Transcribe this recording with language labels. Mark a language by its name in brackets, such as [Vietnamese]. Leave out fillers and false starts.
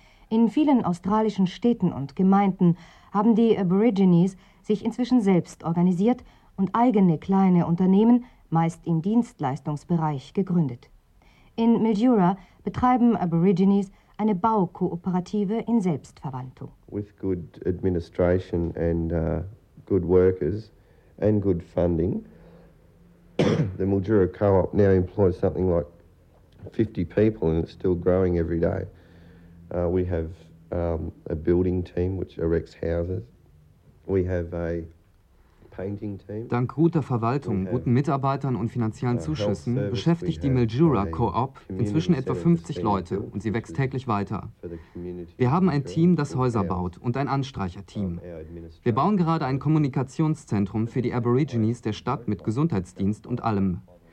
[German] In vielen australischen Städten und Gemeinden haben die Aborigines sich inzwischen selbst organisiert und eigene kleine Unternehmen, meist im Dienstleistungsbereich, gegründet. In Mildura betreiben Aborigines eine Baukooperative in Selbstverwaltung. [English] With good administration and good workers and good funding, the Mildura Co-op now employs something like 50 people and it's still growing every day. We have a building team which erects houses. We have a [German] Dank guter Verwaltung, guten Mitarbeitern und finanziellen Zuschüssen beschäftigt die Mildura Co-op inzwischen etwa 50 Leute und sie wächst täglich weiter. Wir haben ein Team, das Häuser baut und ein Anstreicherteam. Wir bauen gerade ein Kommunikationszentrum für die Aborigines der Stadt mit Gesundheitsdienst und allem.